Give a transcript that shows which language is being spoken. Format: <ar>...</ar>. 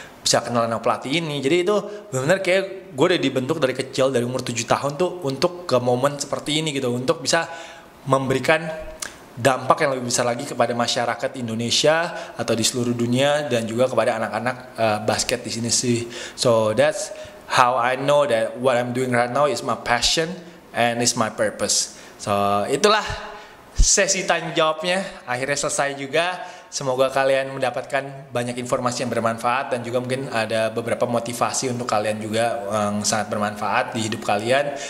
<id>bisa kenal sama pelatih ini. Jadi itu benar-benar kayak gue udah dibentuk dari kecil, dari umur 7 tahun tuh untuk ke momen seperti ini gitu, untuk bisa memberikan dampak yang lebih besar lagi kepada masyarakat Indonesia atau di seluruh dunia, dan juga kepada anak-anak basket di sini sih.</id> <en>So that's how I know that what I'm doing right now is my passion and is my purpose.</en> <id>So itulah sesi tanya jawabnya, akhirnya selesai juga. Semoga kalian mendapatkan banyak informasi yang bermanfaat, dan juga mungkin ada beberapa motivasi untuk kalian juga yang sangat bermanfaat di hidup kalian.</id>